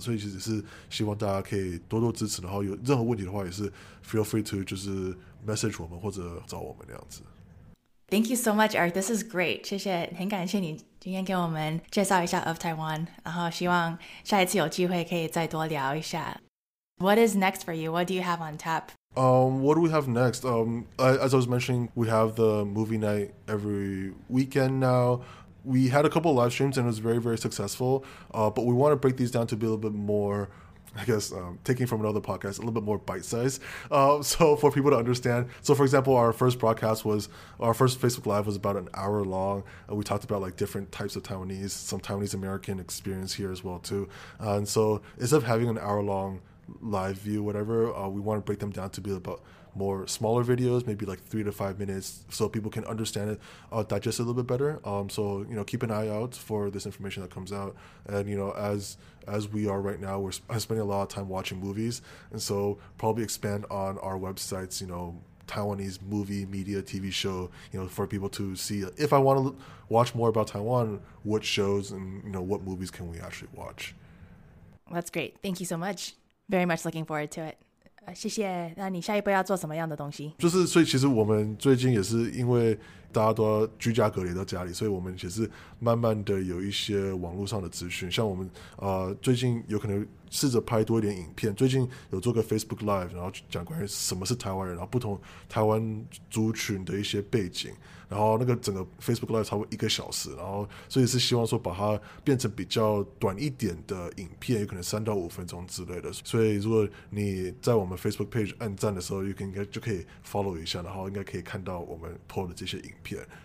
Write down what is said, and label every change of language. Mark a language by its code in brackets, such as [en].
[zh] 所以其实是希望大家可以多多支持，然后有任何问题的话也是 [en] feel free to [zh] 就是 message 我们或者找我们那样子。 [en] Thank you so much, Eric. This is great. [zh] 谢谢，很感谢你今天给我们介绍一下 [en] of Taiwan. [zh] 然后希望下一次有机会可以再多聊一下。 [en] What is next for you? What do you have on tap? What do we have next? As I was mentioning, we have the movie night every weekend now. We had a couple of live streams and it was very, very successful. But we want to break these down to be a little bit more, I guess, taking from another podcast, a little bit more bite-sized. So for people to understand. So for example, our first Facebook Live was about an hour long. And we talked about like different types of Taiwanese, some Taiwanese American experience here as well too. And so instead of having an hour long live view, whatever, we want to break them down to be about more smaller videos, maybe like 3 to 5 minutes, so people can understand it, digest it a little bit better. So, you know, keep an eye out for this information that comes out. And, you know, as we are right now, I'm spending a lot of time watching movies. And so probably expand on our websites, you know, Taiwanese movie, media, TV show, you know, for people to see if I want to watch more about Taiwan, what shows and, you know, what movies can we actually watch? That's great. Thank you so much. Very much looking forward to it. [zh] 谢谢，那你下一步要做什么样的东西？就是，所以其实我们最近也是因为大家都要居家隔离到家里，所以我们其实慢慢的有一些网络上的资讯，像我们最近有可能试着拍多一点影片，最近有做个 Facebook Live， 然后讲关于什么是台湾人，然后不同台湾族群的一些背景，然后那个整个 Facebook Live 差不多一个小时，然后所以是希望说把它变成比较短一点的影片，有可能3到5分钟之类的，所以如果你在我们 Facebook page 按赞的时候应该就可以 follow 一下，然后应该可以看到我们 po 的这些影片。